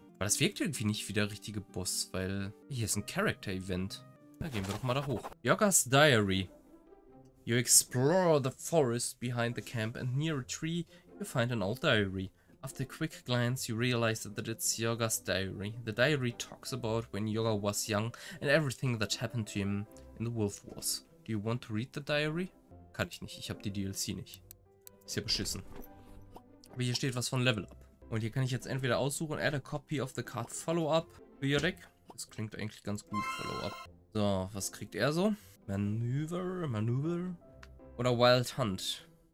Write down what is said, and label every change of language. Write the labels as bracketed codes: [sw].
[de] Aber das wirkt irgendwie nicht wie der richtige Boss, weil... Hier ist ein Character-Event. Da gehen wir doch mal da hoch. Yogur's Diary. [en] You explore the forest behind the camp and near a tree, you find an old diary. After a quick glance, you realize that it's Yogur's diary. The diary talks about when Yogur was young and everything that happened to him in the Wolf Wars. Do you want to read the diary? [de] Kann ich nicht, ich habe die DLC nicht. Ist ja beschissen. Aber hier steht was von Level Up. Und hier kann ich jetzt entweder aussuchen, [en] add a copy of the card Follow-Up [de] für ihr Deck. Das klingt eigentlich ganz gut, Follow-Up. So, was kriegt er so? Manöver? Oder Wild Hunt?